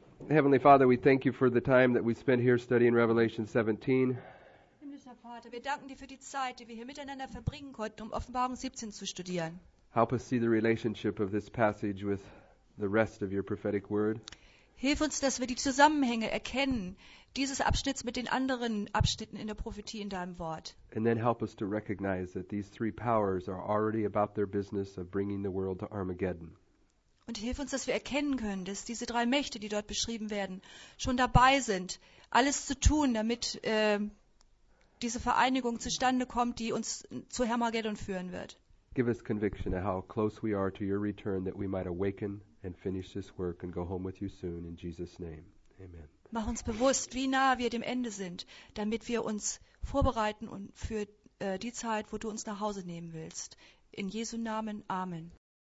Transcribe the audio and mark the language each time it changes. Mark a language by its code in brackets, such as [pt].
[en] Heavenly Father, we thank you for the time that we spent here studying Revelation 17. [de] Wir danken dir für die Zeit, die wir hier miteinander verbringen konnten, um Offenbarung 17 zu studieren. [en] Help us see the relationship of this passage with the rest of your prophetic word. [de] Hilf uns, dass wir die Zusammenhänge erkennen, dieses Abschnitts mit den anderen Abschnitten in der Prophetie in deinem Wort. [en] And then help us to recognize that these three powers are already about their business of bringing the world to Armageddon. [de] Und hilf uns, dass wir erkennen können, dass diese drei Mächte, die dort beschrieben werden, schon dabei sind, alles zu tun, damit diese Vereinigung zustande kommt, die uns zu Hermageddon führen wird. [en] Give us conviction of how close we are to your return, that we might awaken and finish this work and go home with you soon, in Jesus' name. Amen. [de] Mach uns bewusst, wie nah wir dem Ende sind, damit wir uns vorbereiten und für die Zeit, wo du uns nach Hause nehmen willst. In Jesu Namen, Amen.